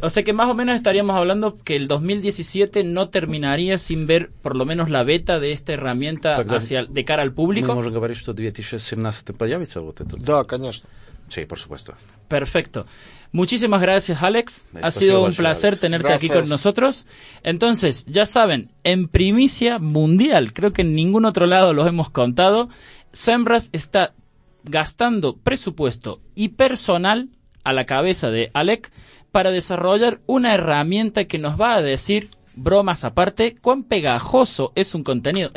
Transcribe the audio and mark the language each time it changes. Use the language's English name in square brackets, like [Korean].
[Spanish] O sea que más o menos estaríamos hablando que el 2017 no terminaría sin ver por lo menos la beta de esta herramienta hacia, de cara al público. [Russian] Можем говорить, что 2017 появится вот это. Да, конечно. [Spanish] Sí, por supuesto. Perfecto. Muchísimas gracias, Alex. Ha sido un placer tenerte aquí con nosotros. Entonces, ya saben, en primicia mundial, creo que en ningún otro lado lo hemos contado, SEMrush está gastando presupuesto y personal a la cabeza de Alec para desarrollar una herramienta que nos va a decir, bromas aparte, cuán pegajoso es un contenido.